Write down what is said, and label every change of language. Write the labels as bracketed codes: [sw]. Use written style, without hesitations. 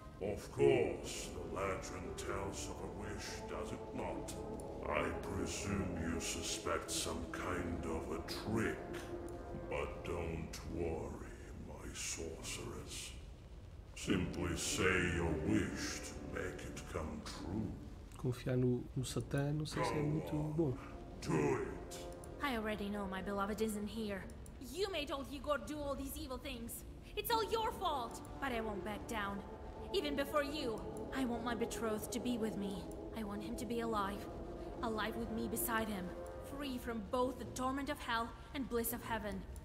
[en] Of course, the legend tells of a wish, does it not? I presume you suspect some kind of a trick. But don't worry, my sorceress. Simply say your wish to make it come true. [pt] Confiar no Satã, não sei se é muito bom. [en] Do it. I already know my beloved isn't here. You made old Igor do all these evil things. It's all your fault. But I won't back down. Even before you. I want my betrothed to be with me. I want him to be alive. Alive with me beside him. Free from both the torment of hell and bliss of heaven.